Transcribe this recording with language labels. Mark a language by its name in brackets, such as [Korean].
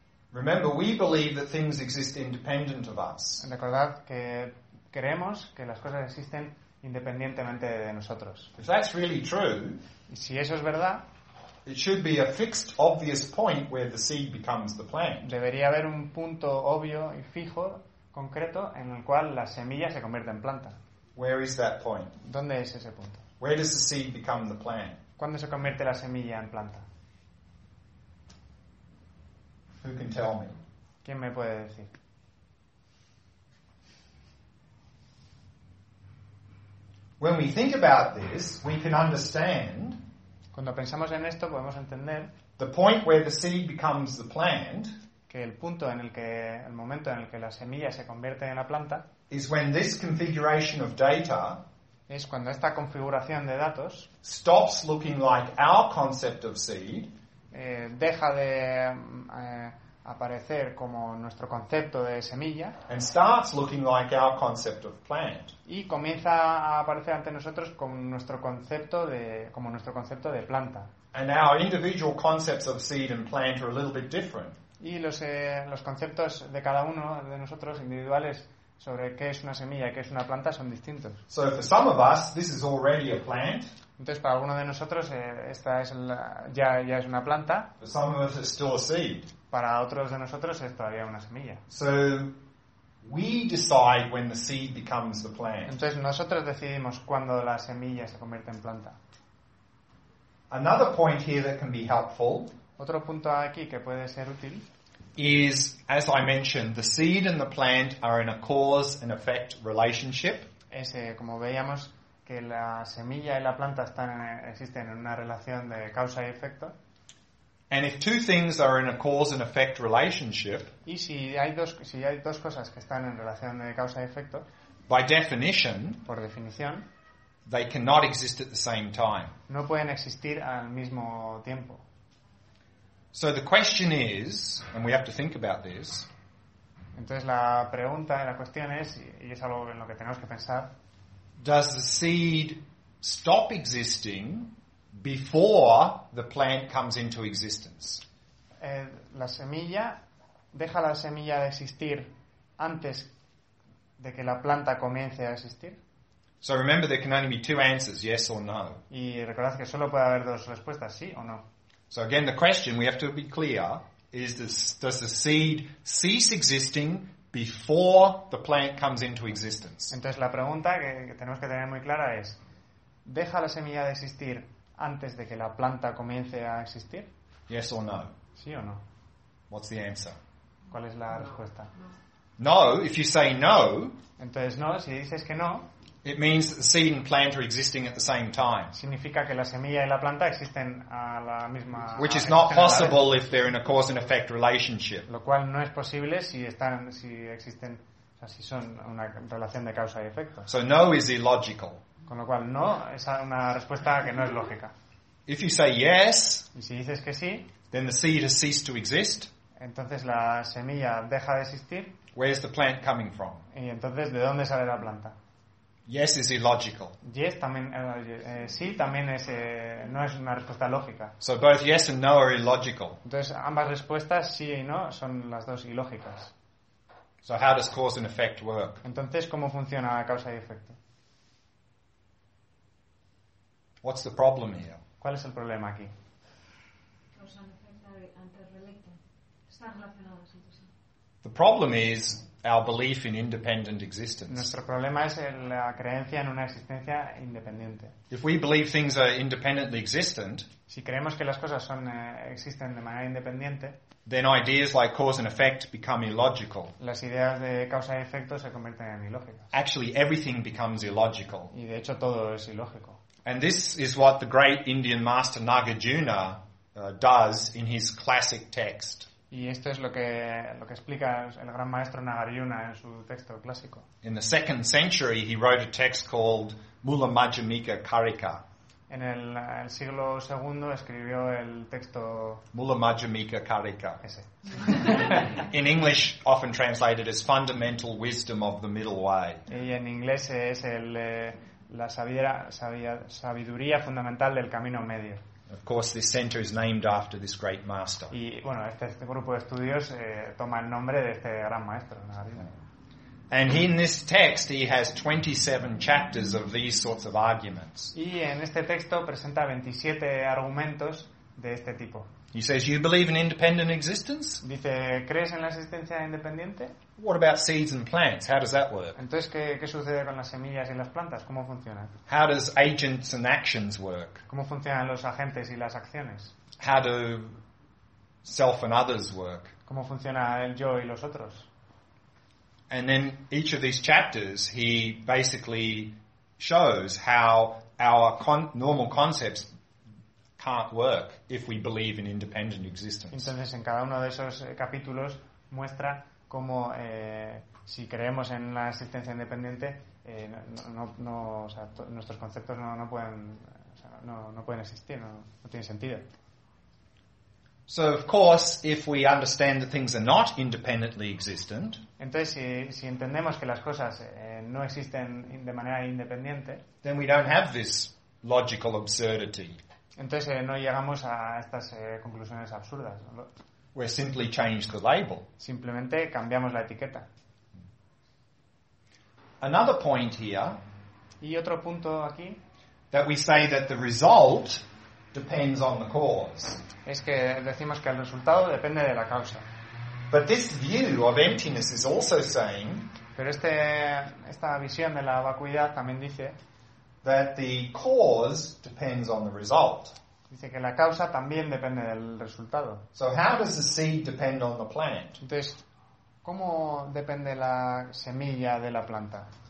[English] Remember, we believe that things exist independent of us. [Spanish] Recordad que creemos que las cosas existen independientemente de nosotros. [English] If that's really true, [Spanish] si eso es verdad, [English] it should be a fixed, obvious point where the seed becomes the plant. [Spanish] Debería haber un punto obvio y fijo, concreto, en el cual la semilla se convierte en planta. [English] Where is that point? [Spanish] ¿Dónde es ese punto? [English] Where does the seed become the plant? [Spanish] ¿Cuándo se convierte la semilla en planta? [English] Who can tell me? [Spanish] ¿Quién me puede decir? [English] When we think about this, we can understand. [Spanish] Cuando pensamos en esto, podemos entender. [English] The point where the seed becomes the plant. [Spanish] Que el punto en el que, el momento en el que la semilla se convierte en la planta. [English] Is when this configuration of data. [Spanish] Es cuando esta configuración de datos. [English] Stops looking like our concept of seed. [Spanish] Deja de aparecer como nuestro concepto de semilla, [English] and starts looking like our concept of plant. [Spanish] Y comienza a aparecer ante nosotros como nuestro concepto de planta. [English] And our individual concepts of seed and plant are a little bit different. [Spanish] Y los conceptos de cada uno de nosotros individuales sobre qué es una semilla y qué es una planta son distintos. [English] So for some of us, this is already a plant. [Spanish] Entonces, para alguno de nosotros, esta es ya es una planta. [English] For some of us, it's still a seed. [Spanish] Para otros de nosotros, es todavía una semilla. [English] So we decide when the seed becomes the plant. [Spanish] Entonces, nosotros decidimos cuándo la semilla se convierte en planta. [English] Another point here that can be helpful. [Spanish] Otro punto aquí que puede ser útil. [English] Is, as I mentioned, the seed and the plant are in a cause and effect relationship. [Spanish] Es como veíamos que la semilla y la planta existen en una relación de causa y efecto. [English] And if two things are in a cause and effect relationship, [Spanish] y si hay dos cosas que están en relación de causa y efecto, [English] by definition, [Spanish] por definición, [English] they cannot exist at the same time. [Spanish] No pueden existir al mismo tiempo. [English] So the question is, and we have to think about this. [Spanish] Entonces la pregunta, la cuestión es, y es algo en lo que tenemos que pensar. [English] Does the seed stop existing before the plant comes into existence? [Spanish] La semilla deja la semilla de existir antes de que la planta comience a existir. [English] So remember, there can only be two answers: yes or no. [Spanish] Y recordad que solo puede haber dos respuestas: sí o no. [English] So again, the question we have to be clear is: does the seed cease existing before the plant comes into existence? [Spanish] Entonces la pregunta que tenemos que tener muy clara es: ¿deja la semilla de existir antes de que la planta comience a existir? [English] Yes or no. [Spanish] ¿Sí o no? [English] What's the answer? [Spanish] ¿Cuál es la respuesta? [English] No, if you say no. [Spanish] Entonces no, si dices que no. [English] It means that the seed and plant are existing at the same time. [Spanish] Significa que la semilla y la planta existen a la misma. [English] Which is not possible if they're in a cause and effect relationship. [Spanish] Lo cual no es posible si existen, o sea, si son una relación de causa y efecto. [English] So no is illogical. [Spanish] Con lo cual, no, es una respuesta que no es lógica. [English] If you say yes, [Spanish] y si dices que sí, [English] then the seed has ceased to exist. [Spanish] Entonces la semilla deja de existir. [English] Where's the plant coming from? [Spanish] Y entonces, ¿de dónde sale la planta? [English] Yes is illogical. Yes, [Spanish] también, sí, también es, no es una respuesta lógica. [English] So both yes and no are illogical. [Spanish] Entonces ambas respuestas, sí y no, son las dos ilógicas. [English] So how does cause and effect work? [Spanish] Entonces, ¿cómo funciona causa y efecto? [English] What's the problem here? [Spanish] ¿Cuál es el problema aquí? Causa y efecto, antes relecto. Están relacionados entre sí. [English] The problem is our belief in independent existence. [Spanish] Nuestro problema es la creencia en una existencia independiente. [English] If we believe things are independently existent, [Spanish] si creemos que las cosas son existen de manera independiente, [English] then ideas like cause and effect become illogical. [Spanish] Las ideas de causa y efecto se convierten en ilógicas. [English] Actually, everything becomes illogical. [Spanish] Y de hecho todo es ilógico. [English] And this is what the great Indian master Nagarjuna does in his classic text. [Spanish] Y esto es lo que explica el gran maestro Nagarjuna en su texto clásico. [English] In the second century, he wrote a text called Mula Majjhimika Karika. [Spanish] En el siglo segundo escribió el texto Mula Majjhimika Karika. Ese. [English] In English, often translated as Fundamental Wisdom of the Middle Way. [Spanish] Y en inglés es la sabiduría fundamental del camino medio. [English] Of course, this center is named after this great master. [Spanish] Y bueno, este grupo de estudios toma el nombre de este gran maestro. [English] And in this text, he has 27 chapters of these sorts of arguments. [Spanish] Y en este texto presenta 27 argumentos de este tipo. [English] He says, "You believe in independent existence?" [Spanish] Dice, ¿crees en la existencia independiente? [English] What about seeds and plants? How does that work? [Spanish] Entonces, ¿qué sucede con las semillas y las plantas? ¿Cómo funciona? [English] How does agents and actions work? [Spanish] ¿Cómo funcionan los agentes y las acciones? [English] How do self and others work? [Spanish] ¿Cómo funciona el yo y los otros? [English] And then each of these chapters, he basically shows how our normal concepts can't work if we believe in independent existence. [Spanish] Entonces, en cada uno de esos capítulos muestra cómo si creemos en la existencia independiente, nuestros conceptos no pueden existir, no tiene sentido. [English] So of course, if we understand that things are not independently existent, [Spanish] entonces si entendemos que las cosas no existen de manera independiente, [English] then we don't have this logical absurdity. [Spanish] Entonces no llegamos a estas conclusiones absurdas. [English] We simply change the label. [Spanish] Simplemente cambiamos la etiqueta. [English] Another point here. [Spanish] Y otro punto aquí. [English] That we say that the result depends on the cause. [Spanish] Es que decimos que el resultado depende de la causa. [English] But this view of emptiness is also saying. [Spanish] Pero esta visión de la vacuidad también dice. [English] That the cause depends on the result. [Spanish] Dice que la causa también depende del resultado. [English] So how does the seed depend on the plant? [Spanish] Entonces, ¿cómo depende la semilla de la planta?